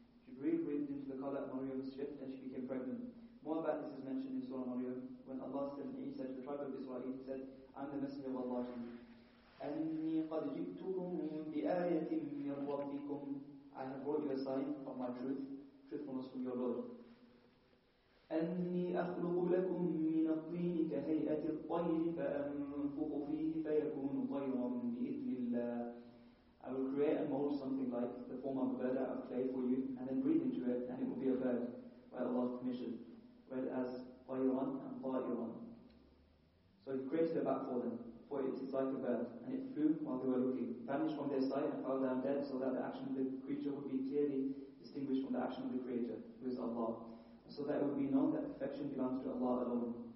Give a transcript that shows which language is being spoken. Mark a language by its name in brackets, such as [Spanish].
[English] She breathed into the color of Maryam's shift and she became pregnant. More about this is mentioned in Surah Maryam, when Allah said, and He said to the tribe of Israel, He said, I'm the messenger of Allah. [Arabic] أَنِّي قَدْ جِئْتُكُمْ بِآيَةٍ مِّن رَبِّكُمْ [English] I have brought you a sign of my truth. Truthfulness from your Lord. [Arabic] أني أخلق لكم من الطين كهيئة الطير فأنفخ فيه فيكون طيرا بإذن الله. [English] I will create and mold something like the form of a bird out of clay for you, and then breathe into it, and it will be a bird by Allah's permission. Read as طيرا and طائرا. So He created a bat for them, for it is like a bird, and it flew while they were looking, vanished from their sight, and fell down dead, so that the action of the creature would be clearly distinguished from the action of the Creator, who is Allah, so that it would be known that perfection belongs to Allah alone.